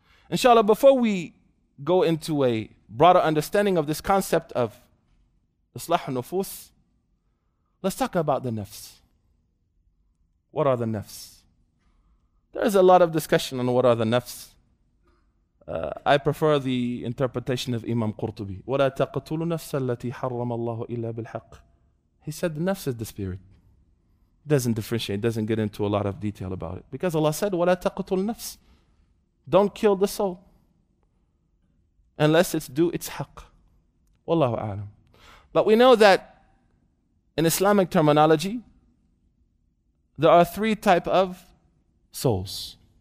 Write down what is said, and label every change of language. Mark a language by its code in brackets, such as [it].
[en] Inshallah, before we go into a broader understanding of this concept of islah nufus, let's talk about the nafs. What are the nafs? There's a lot of discussion on what are the nafs. I prefer the interpretation of Imam Qurtubi. [ar] ولا تقتلوا نفس التي حرم الله إلا بالحق. [en] He said the nafs is the spirit. Doesn't differentiate, doesn't get into a lot of detail about it. Because Allah said, [ar] وَلَا تَقْتُلْ نَفْسِ. [en] Don't kill the soul. Unless it's due its haqq. [ar] وَاللَّهُ أَعْلَمُ. [en] But we know that in Islamic terminology, there are three type of souls.